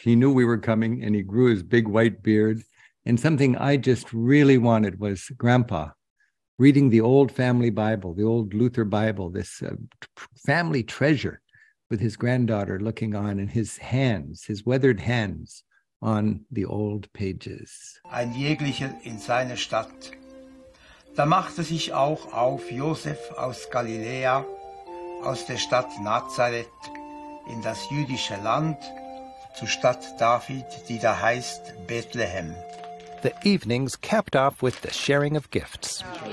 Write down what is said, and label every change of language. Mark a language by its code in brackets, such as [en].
[en] He knew we were coming and he grew his big white beard. And something I just really wanted was Grandpa reading the old family Bible, the old Luther Bible, this family treasure, with his granddaughter looking on and his hands, his weathered hands on the old pages. [de] Ein jeglicher in seine Stadt. Da machte sich auch auf Josef aus Galiläa, aus der Stadt Nazareth, in das jüdische Land, zur Stadt David, die da heißt Bethlehem. [en] The evenings capped off with the sharing of gifts.